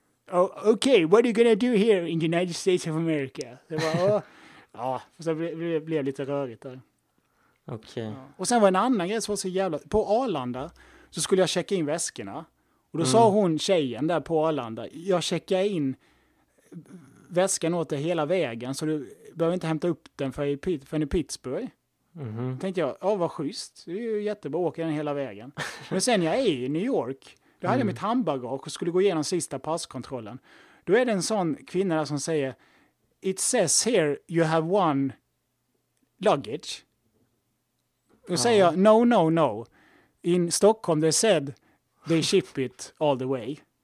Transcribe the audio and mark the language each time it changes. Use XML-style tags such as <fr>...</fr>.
<en>Ja, okay, what are you gonna do here in the United States of America?</en> <sv>Det var... Ja, så blev lite rörigt där. Okay. Och sen var en annan grej som var så jävla... På Arlanda så skulle jag checka in väskorna. Och då sa hon, tjejen där på Arlanda, jag checkar in väskan åt dig hela vägen så du behöver inte hämta upp den för i Pittsburgh. Mm-hmm. Tänkte jag, ja vad schysst, det är ju jättebra att åka den hela vägen. Men sen jag är i New York, då hade jag mitt handbagage och skulle gå igenom sista passkontrollen. Då är det en sån kvinna där som säger,</sv> <en>it says here you have one luggage.</en> <sv>Då säger jag, no.</sv> <en>In Stockholm they said they ship it all the way.</en>